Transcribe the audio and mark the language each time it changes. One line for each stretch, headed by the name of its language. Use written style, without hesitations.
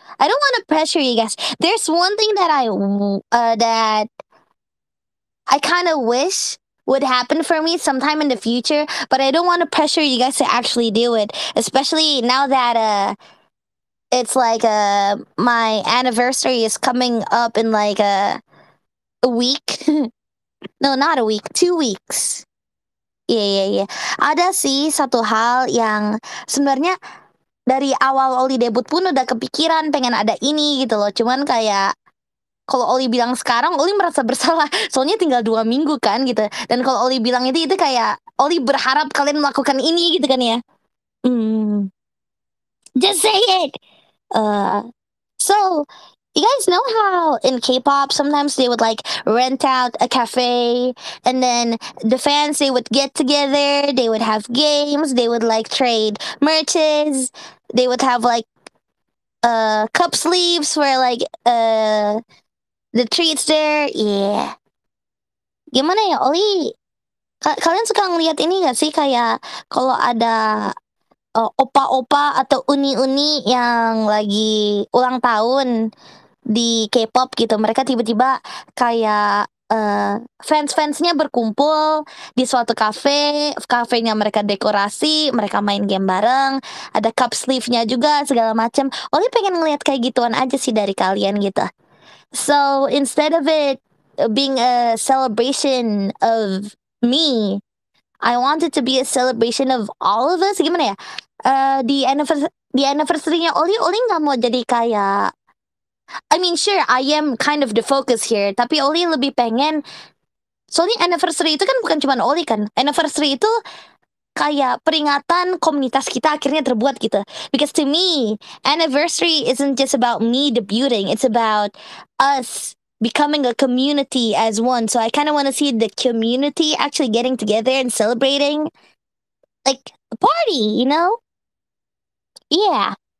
English: I don't want to pressure you guys. There's one thing that I kind of wish would happen for me sometime in the future, but I don't want to pressure you guys to actually do it, especially now that, it's like, my anniversary is coming up in like, a week. No, not a week, 2 weeks.
Indonesian: Yeah. Ada sih satu hal yang sebenarnya dari awal Oli debut pun udah kepikiran pengen ada ini gitu loh. Cuman kayak kalau Oli bilang sekarang, Oli merasa bersalah. Soalnya tinggal 2 minggu kan gitu. Dan kalau Oli bilang itu kayak Oli berharap kalian melakukan ini gitu kan ya.
English: Just say it. So, you guys know how in K-pop, sometimes they would like rent out a cafe and then the fans, they would get together, they would have games, they would like trade merches, they would have like cup sleeves for like the treats there.
Indonesian: Yeah. Gimana ya, Oli? Kalian suka ngeliat ini gak sih? Kayak kalau ada opa-opa atau uni-uni yang lagi ulang tahun di K-pop gitu, mereka tiba-tiba kayak fans-fansnya berkumpul di suatu kafe, kafenya mereka dekorasi, mereka main game bareng, ada cup sleeve-nya juga segala macam. Oli pengen ngeliat kayak gituan aja sih dari kalian gitu.
English: So instead of it being a celebration of me, I want it to be a celebration of all of us.
Indonesian: Gimana ya? Di anniversary-nya Oli, Oli nggak mau jadi kayak,
English: I mean, sure, I am kind of the focus here.
Indonesian: Tapi Oli lebih pengen, soalnya anniversary itu kan bukan cuma Oli kan. Anniversary itu kayak peringatan komunitas kita akhirnya terbuat gitu.
English: Because to me, anniversary isn't just about me debuting. It's about us becoming a community as one. So I kind of want to see the community actually getting together and celebrating. Like, a party, you know? Yeah.